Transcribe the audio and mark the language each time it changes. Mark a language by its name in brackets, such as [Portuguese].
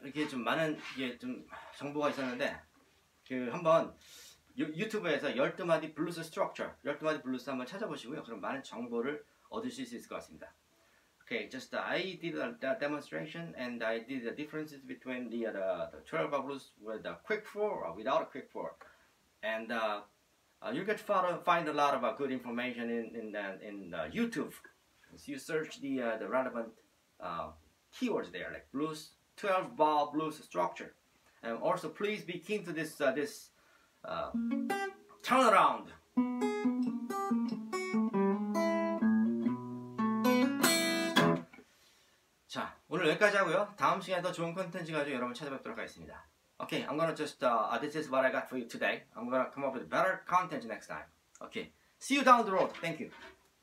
[Korean] 좀 많은 이게 좀 정보가 있었는데 그 한번 유튜브에서 12마디 블루스 스트럭처 12마디 블루스 한번 찾아보시고요. 그럼 많은 정보를 얻으실 수 있을 것 같습니다. [English] Okay, just I did the demonstration and I did the differences between the 12 blues with the quick four or without a quick four. And you get to find a lot of good information in the YouTube. So you search the relevant keywords there like blues 12 bar blues structure. And also please be keen to this turnaround. Mm-hmm. [Korean] 자, 오늘 여기까지 하고요. 다음 시간에 더 좋은 콘텐츠 가지고 여러분 찾아뵙도록 하겠습니다. [English] Okay, I'm gonna just this is what I got for you today. I'm gonna come up with better content next time. Okay, see you down the road. Thank you.